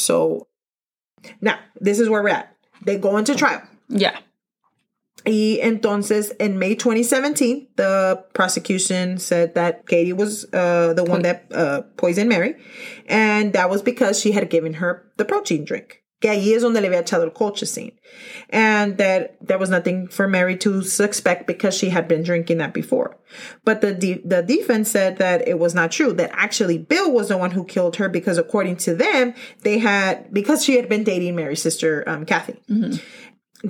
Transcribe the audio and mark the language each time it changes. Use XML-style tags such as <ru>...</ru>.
<en>So now, this is where we're at. They go into trial. Yeah.</en> <es>Y entonces,</es> <en>in May 2017, the prosecution said that Katie was the one that poisoned Mary. And that was because she had given her the protein drink.</en> <es>Que ahí es donde le había echado el colchicine.</es> <en>And that there was nothing for Mary to suspect because she had been drinking that before. But the defense said that it was not true. That actually Bill was the one who killed her because according to them, because she had been dating Mary's sister, Kathy. Mm-hmm.</en>